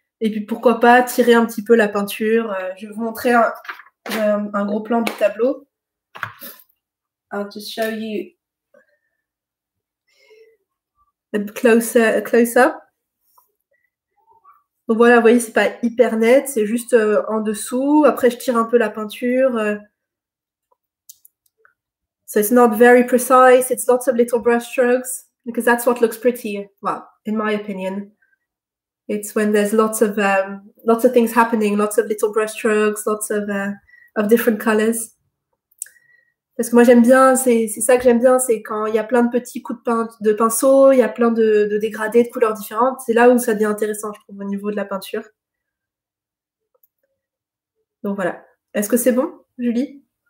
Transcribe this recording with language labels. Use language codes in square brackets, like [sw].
[fr] Et puis pourquoi pas tirer un petit peu la peinture. Je vais vous montrer un gros plan du tableau. [en] I'll just show you a closer. [fr] Donc voilà, vous voyez, c'est pas hyper net, c'est juste en dessous. Après, je tire un peu la peinture. [en] So it's not very precise, it's lots of little brush strokes, because that's what looks pretty, well, in my opinion. It's when there's lots of things happening, lots of little brush strokes, lots of different colors. [fr] Parce que moi j'aime bien, c'est ça que j'aime bien, c'est quand il y a plein de petits coups de pinceau, il y a plein de dégradés de couleurs différentes, c'est là où ça devient intéressant, je trouve, au niveau de la peinture. Donc voilà. Est-ce que c'est bon, Julie?